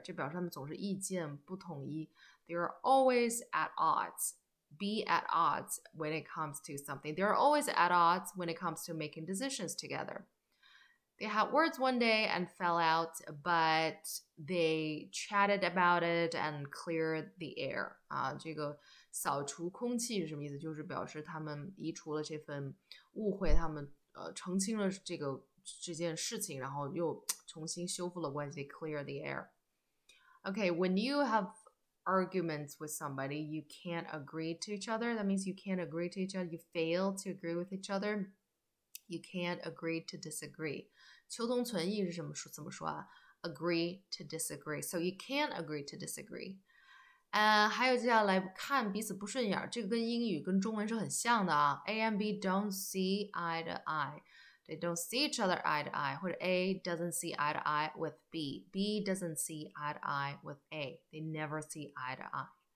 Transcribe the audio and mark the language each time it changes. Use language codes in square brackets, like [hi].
[zh] 就表示他们总是意见不统一。 [en] They're always at odds. Be at odds when it comes to something. They're always at odds when it comes to making decisions together. They had words one day and fell out, but they chatted about it and cleared the air. [zh] 这个扫除空气是什么意思？就是表示他们移除了这份误会，他们澄清了这件事情，然后又重新修复了关系 ，clear the air. [en] Okay, when you have arguments with somebody, you can't agree to each other. That means you can't agree to each other. You fail to agree with each other. You can't agree to disagree. [zh] 求同存异是什么怎么说啊 ？ [en] Agree to disagree. So you can't agree to disagree. [zh] 还有接下来看彼此不顺眼，这个跟英语跟中文是很像的啊。 [en] A and B don't see eye to eye, they don't see each other eye to eye, [zh] 或者 [en] A doesn't see eye to eye with B, B doesn't see eye to eye with A, they never see eye to eye.